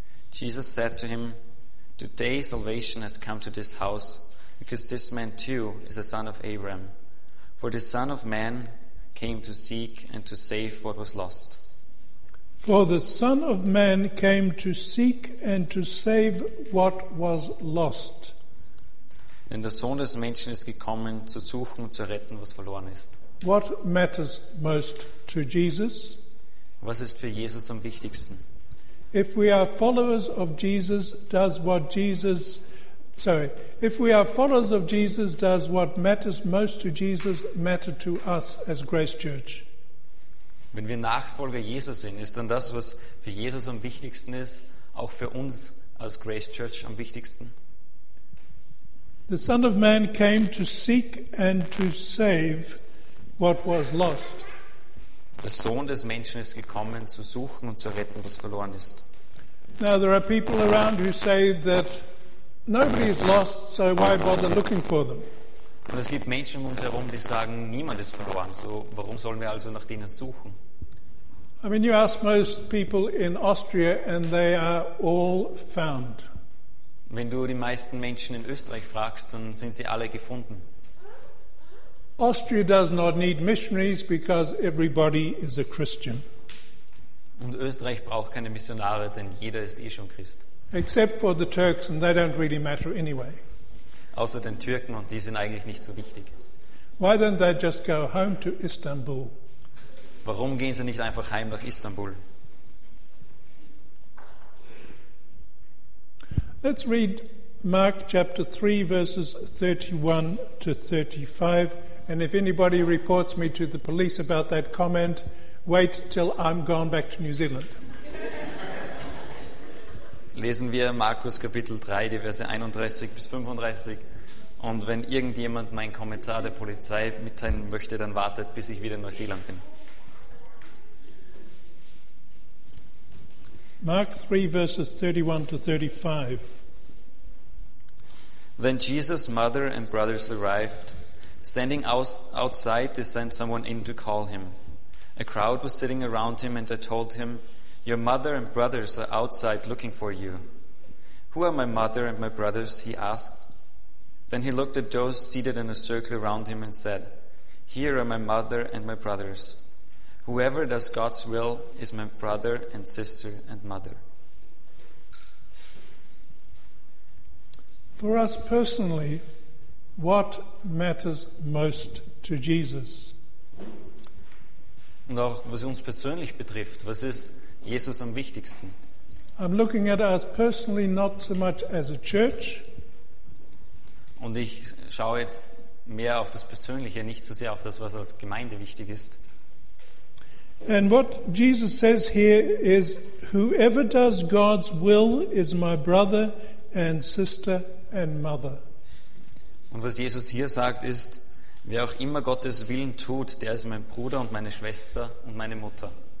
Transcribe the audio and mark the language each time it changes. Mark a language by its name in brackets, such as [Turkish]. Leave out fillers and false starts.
[English] Jesus said to him, "Today salvation has come to this house, because this man too is a son of Abraham. For the Son of Man came to seek and to save what was lost." For the Son of Man came to seek and to save what was lost. [German] Denn der Sohn des Menschen ist gekommen, zu suchen und zu retten, was verloren ist. [English] What matters most to Jesus? [German] Was ist für Jesus am wichtigsten? [English] If we are followers of Jesus, does what Jesus... Sorry, if we are followers of Jesus, does what matters most to Jesus matter to us as Grace Church? [German] Wenn wir Nachfolger Jesus sind, ist dann das, was für Jesus am wichtigsten ist, auch für uns als Grace Church am wichtigsten? [English] The Son of Man came to seek and to save what was lost. [German] Der Sohn des Menschen ist gekommen, zu suchen und zu retten, was verloren ist. [English] Now there are people around who say that nobody is lost, so why bother looking for them? [German] Und es gibt Menschen um uns herum, die sagen, niemand ist verloren. So, warum sollen wir also nach denen suchen? [English] I mean, you ask most people in Austria, and they are all found. [German] Wenn du die meisten Menschen in Österreich fragst, dann sind sie alle gefunden. [English] Austria does not need missionaries because everybody is a Christian. [German] Und Österreich braucht keine Missionare, denn jeder ist eh schon Christ. [English] Except for the Turks, and they don't really matter anyway. [German] Außer den Türken, und die sind eigentlich nicht so wichtig. [English] Why don't they just go home to Istanbul? [German] Warum gehen sie nicht einfach heim nach Istanbul? [English] Let's read Mark chapter 3, verses 31 to 35. And if anybody reports me to the police about that comment, wait till I'm gone back to New Zealand. [German] Lesen wir Markus Kapitel 3, die Verse 31 bis 35. Und wenn irgendjemand meinen Kommentar der Polizei mitteilen möchte, dann wartet, bis ich wieder in Neuseeland bin. [English] Mark 3, verses 31 to 35. Then Jesus' mother and brothers arrived. Standing outside, they sent someone in to call him. A crowd was sitting around him, and they told him, "Your mother and brothers are outside looking for you." "Who are my mother and my brothers?" he asked. Then he looked at those seated in a circle around him and said, "Here are my mother and my brothers. Whoever does God's will is my brother and sister and mother." For us personally, what matters most to Jesus? [German] Und auch was uns persönlich betrifft, was ist Jesus am wichtigsten? [English] I'm looking at us personally, not so much as a church. [German] Und ich schaue jetzt mehr auf das Persönliche, nicht so sehr auf das, was als Gemeinde wichtig ist. [English] And what Jesus says here is, whoever does God's will is my brother and sister and mother. [German] Und was Jesus hier sagt ist, wer auch immer Gottes Willen tut, der ist mein Bruder und meine Schwester und meine Mutter.